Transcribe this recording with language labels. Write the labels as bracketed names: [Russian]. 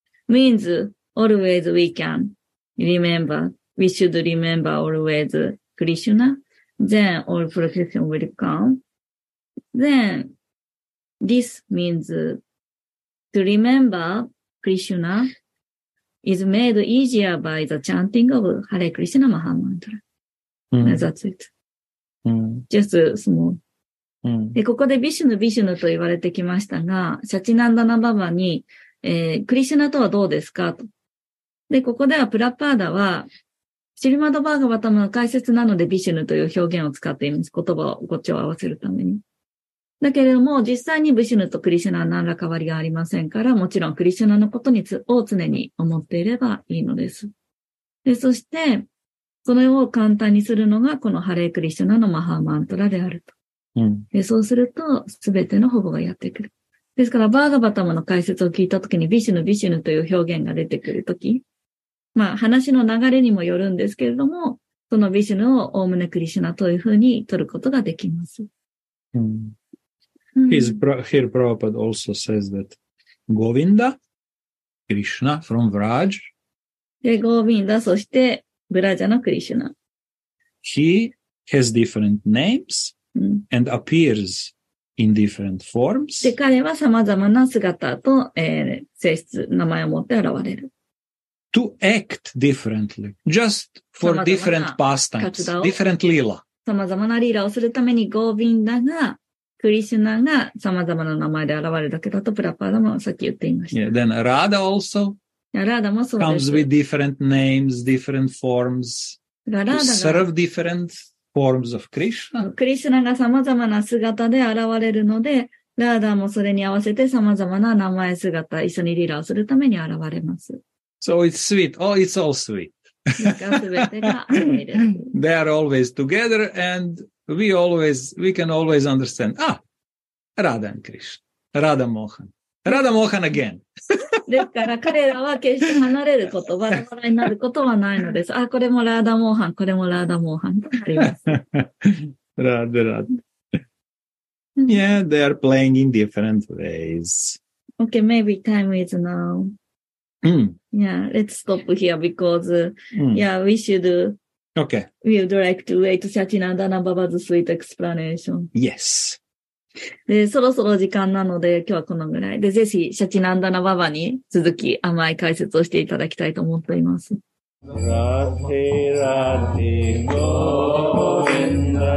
[English] Means always we can remember, we should remember always Krishna, then all protection will come. Then this means to remember Krishna is made easier by the chanting of Hare Krishna Maha Mantra. Mm. That's it. Mm. Just small. Mm. [Japanese] で、ここでビシュヌ、ビシュヌと言われてきましたが、シャチナンダナババに、クリシュナとはどうですかと。で、ここではプラパーダは、シリマドバーガバタムの解説なのでビシュヌという表現を使っています。言葉を語調を合わせるために。だけれども、実際にビシュヌとクリシュナは何ら変わりがありませんから、もちろんクリシュナのことにつを常に思っていればいいのです。で、そして、それを簡単にするのが、このハレークリシュナのマハーマントラであると。うん、でそうすると、すべての保護がやってくる。ですから、バーガバタムの解説を聞いたときに、ビシュヌ、ビシュヌという表現が出てくるとき、まあ、話の流れにもよるんですけれども、そのビシュヌをおおむねクリシュナというふうに取ることができます。 [English] うんうん、Here, Prabhupada also says that Govinda, Krishna from Vraj. [Japanese] で、Govinda、そして、ブラジャのクリシュナ。 [English] He has different names. Mm. And appears in different forms. [Japanese] で、彼は様々な姿と、性質、名前を持って現れる。 [English] To act differently, just for different pastimes, different lila. [Japanese] 様々なリーラをするために、ゴービンダが、クリシュナが様々な名前で現れるだけだと、プラパーダもさっき言っていました。 [English] Yeah, then Radha also [Japanese] Radha もそうです。 [English] comes with different names, different forms, Radha to serve different. Forms of Krishna. [Japanese] クリシュナが様々な姿で現れるので、ラーダもそれに合わせて様々な名前姿、一緒にリラをするために現れます。 [English] So it's sweet. Oh, it's all sweet. They are always together and we can always understand. Ah, Radha and Krishna. Radha Mohan. Radha Mohan again. [Japanese] ですから彼らは決して離れること、バラバラになることはないのです。あ、これもラーダモーハン、これもラーダモーハンとなります。 [English] ラーダラーダ。Yeah, they are playing in different ways. Okay, maybe time is now. Yeah, let's stop here because, yeah, we should. Okay. We would like to wait Satchinandana Baba's sweet explanation. Yes. [Japanese] で、そろそろ時間なので、今日はこのぐらい。で、ぜひ、シャチナンダナババに続き甘い解説をしていただきたいと思っています。ラティラティゴーインダ